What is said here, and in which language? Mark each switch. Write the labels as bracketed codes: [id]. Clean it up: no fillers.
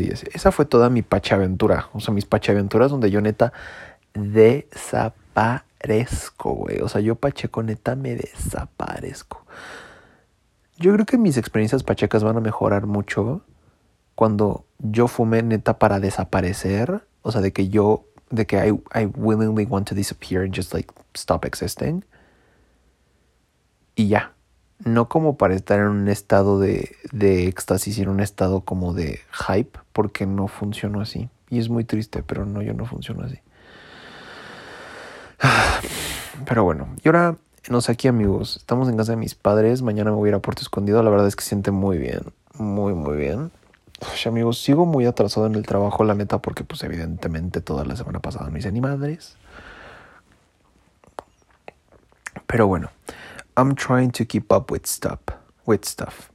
[es] Y esa fue toda mi pachaventura. O sea, mis pachaventuras donde yo neta desaparezco, güey. O sea, yo pacheco neta me desaparezco. Yo creo que mis experiencias pachecas van a mejorar mucho cuando yo fumé neta para desaparecer. O sea, de que [en] I willingly want to disappear and just like stop existing. [es] Y ya. No como para estar en un estado de éxtasis, sino en un estado como de hype, porque no funciona así. Y es muy triste, pero no, yo no funciono así. Pero bueno, y ahora, no sé, aquí amigos, estamos en casa de mis padres, mañana me voy a ir a Puerto Escondido, la verdad es que siente muy bien, muy, muy bien. Uf, amigos, sigo muy atrasado en el trabajo, la neta, porque pues evidentemente toda la semana pasada no hice ni madres. Pero bueno. [en] I'm trying to keep up with stuff.